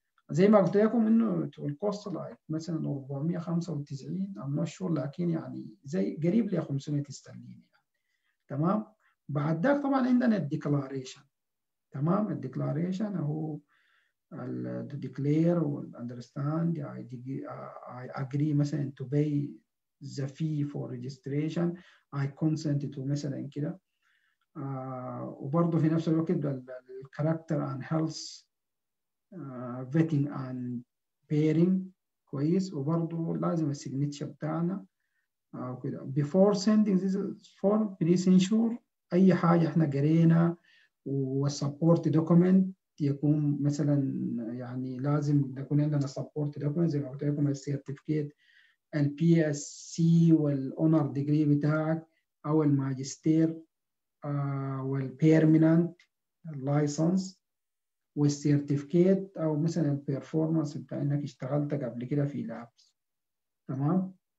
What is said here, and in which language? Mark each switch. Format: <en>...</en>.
<ar>زي ما قلت لكم انه الكوست لايك مثلا 495</ar> <en>am not sure</en> <ar>لكن يعني زي قريب ل 500 استرليني يعني. تمام. بعد ذاك طبعا عندنا الديكلاريشن. تمام. الديكلاريشن هو</ar> <en>to declare or understand I agree مثلا to pay the fee for registration I consent to</en> <ar>مثلا كده. وبرضه في نفس الوقت</ar> <en>character and health vetting and pairing كويس.</en> <ar>وبرضه لازم السيجنتشر بتاعنا وكده.</ar> <en>Before sending this form please ensure</en> <ar>اي حاجه احنا قرينا والسبورت دوكيمنت يكون مثلا يعني لازم يكون عندنا سبورت دوكيمنت زي ما قلت لكم السيرتيفيكيت البي اس سي والاونر ديجري بتاعك او الماجستير والبيرمننت لايسنس والسيرتيفيكيت او مثلا البرفورمانس بتاع انك اشتغلت قبل كده في لابس. تمام.</ar>